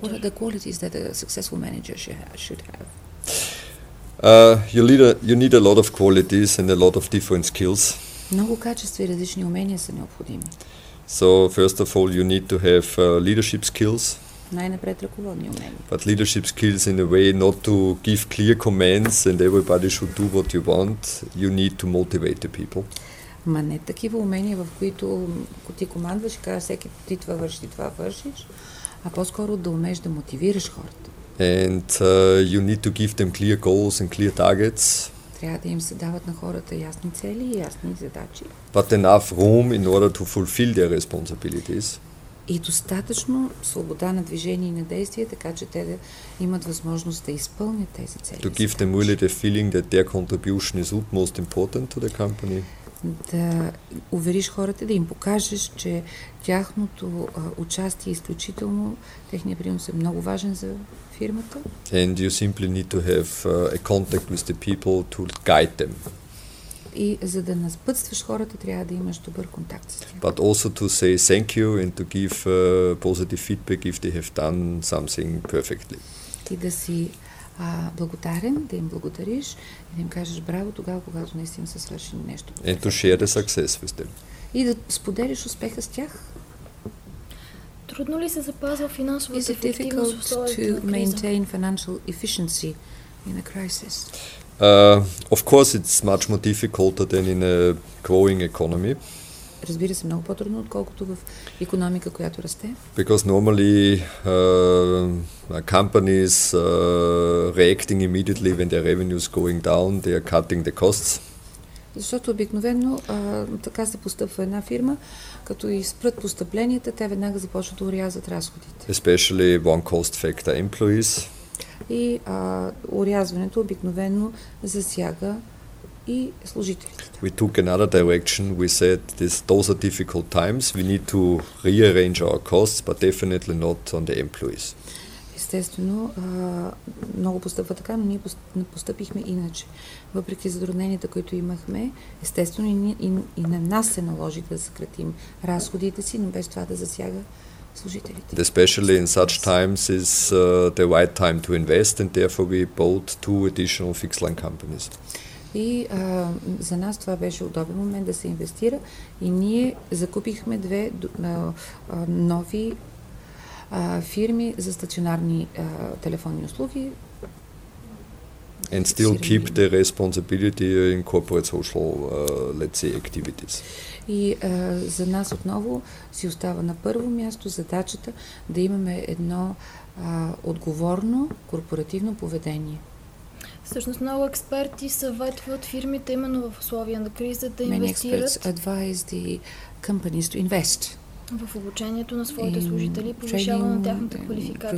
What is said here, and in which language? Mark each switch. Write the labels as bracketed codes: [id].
[en] What are the qualities that a successful manager should have? You need a lot of qualities and a lot of different skills. [bg] Много качества и различни умения са необходими. [en] So first of all, you need to have leadership skills. [bg] Най-напред ръководни умения. [en] But leadership skills in a way not to give clear commands and everybody should do what you want. You need to motivate the people. [bg] Ма не такива умения, в които ти командваш и казваш всеки ти това върши, това вършиш, а по-скоро да умееш да мотивираш хората. [en] And you need to give them clear goals and clear targets. [bg] Трябва да им се дават на хората ясни цели и ясни задачи. [en] But enough room in order to fulfill their responsibilities. [bg] И достатъчно свобода на движение и на действие, така че те да имат възможност да изпълнят тези цели. [en] To give them really the feeling that their contribution is utmost important to the company. [bg] да увериш хората, да им покажеш, че тяхното участие е изключително, техният принос е много важен за фирмата. [en] And you simply need to have a contact with the people to guide them. [bg] И за да наспътстваш хората, трябва да имаш добър контакт с тях. [en] But also to say thank you and to give positive feedback if they have done something perfectly. [bg] И да си благодарен, да им благодариш и да им кажеш браво тогава, когато наистина са свършили нещо. [en] And to share the success with them. [bg] И да споделиш успеха с тях. Трудно ли се запазва финансовата ефективност в условията на криза? [en] Is it difficult to maintain financial efficiency in a crisis? Of course, it's much more difficult than in a growing economy. [bg] Разбира се, много по-трудно, отколкото в икономика, която расте. [en] Because normally companies reacting immediately when their revenues going down, they are cutting the costs. [bg] Защото обикновено така се постъпва една фирма, като изпрат постъпленията, те веднага започват да урязват разходите. [en] Especially one cost factor employees. [bg] И урязването обикновено засяга и служителите. [en] We took another direction. We said those are difficult times. We need to rearrange our costs, but definitely not on the employees. [bg] Естествено, много постъпва така, но ние постъпихме иначе. Въпреки затрудненията, които имахме, естествено и на нас се наложи да съкратим разходите си, но без това да засяга служителите. [en] Especially in such times is the right time to invest and therefore we bought two additional fixed line companies. [bg] И за нас това беше удобен момент да се инвестира и ние закупихме две нови фирми за стационарни телефонни услуги. [en] And still keep the responsibility in corporate social, let's say, activities. [bg] И за нас отново си остава на първо място задачата да имаме едно отговорно корпоративно поведение. Всъщност много експерти съветват фирмите именно в условия на криза да инвестират. [en] Many experts advise the companies to invest. [bg] В обучението на своите служители, повишаване на тяхната квалификация.